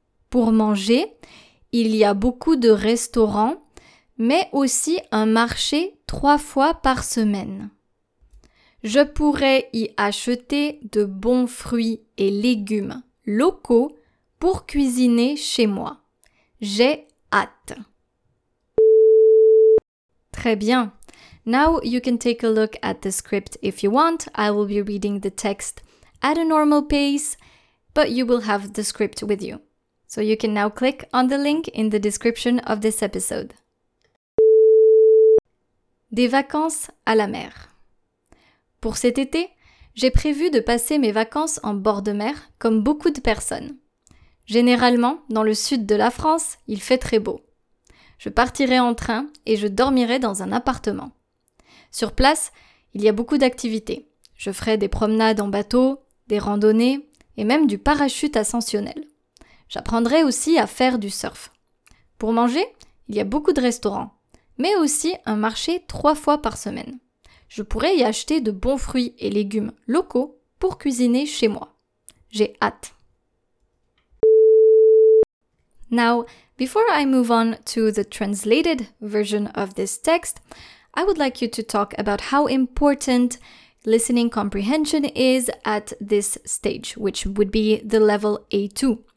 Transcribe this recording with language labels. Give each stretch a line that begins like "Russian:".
French: Pour manger, il y a beaucoup de restaurants, mais aussi un marché trois fois par semaine. Je pourrai y acheter de bons fruits et légumes locaux pour cuisiner chez moi. J'ai hâte. Très bien.
English: Now you can take a look at the script if you want. I will be reading the text at a normal pace, but you will have the script with you. So you can now click on the link in the description of this episode.
French: Des vacances à la mer. Pour cet été, j'ai prévu de passer mes vacances en bord de mer, comme beaucoup de personnes. Généralement, dans le sud de la France, il fait très beau. Je partirai en train et je dormirai dans un appartement. Sur place, il y a beaucoup d'activités. Je ferai des promenades en bateau, des randonnées et même du parachute ascensionnel. J'apprendrai aussi à faire du surf. Pour manger, il y a beaucoup de restaurants, mais aussi un marché trois fois par semaine. Je pourrai y acheter de bons fruits et légumes locaux pour cuisiner chez moi. J'ai hâte.
English: Now, before I move on to the translated version of this text, I would like you to talk about how important listening comprehension is at this stage, which would be the level A2.